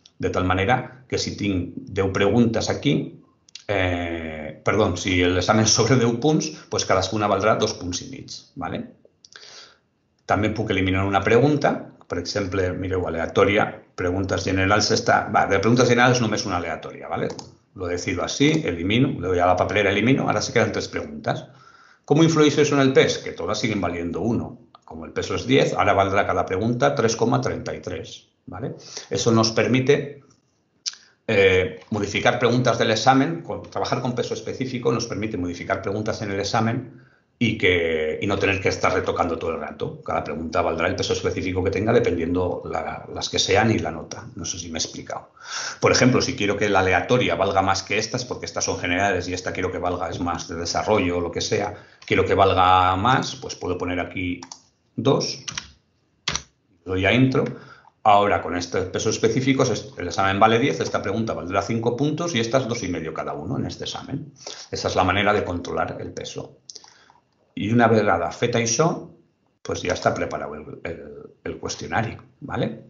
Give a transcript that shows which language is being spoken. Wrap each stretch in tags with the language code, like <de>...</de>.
<ca>De tal manera que si tinc 10 preguntes aquí, si l'examen és sobre 10 punts, pues cadascuna valdrà 2,5 punts. ¿Vale? També puc eliminar una pregunta, per exemple, mireu, aleatòria, preguntes generals està... Va, de preguntes generals només una aleatòria, ¿vale?</ca> <es>Lo decido así, elimino, le doy a la papelera, elimino, ahora se quedan 3 preguntas. ¿Cómo influye eso en el PES? Que todas siguen valiendo 1. Como el peso es 10, ahora valdrá cada pregunta 3,33, ¿vale? Eso nos permite modificar preguntas del examen, trabajar con peso específico nos permite modificar preguntas en el examen y no tener que estar retocando todo el rato. Cada pregunta valdrá el peso específico que tenga dependiendo las que sean y la nota. No sé si me he explicado. Por ejemplo, si quiero que la aleatoria valga más que estas, porque estas son generales y esta quiero que valga, es más de desarrollo o lo que sea, quiero que valga más, pues puedo poner aquí 2, doy a intro. Ahora, con estos pesos específicos, el examen vale 10, esta pregunta valdrá 5 puntos y estas 2,5 cada uno en este examen. Esa es la manera de controlar el peso.</es> <ca>Y una vegada feta això, pues ja està preparat el qüestionari, ¿vale?</ca>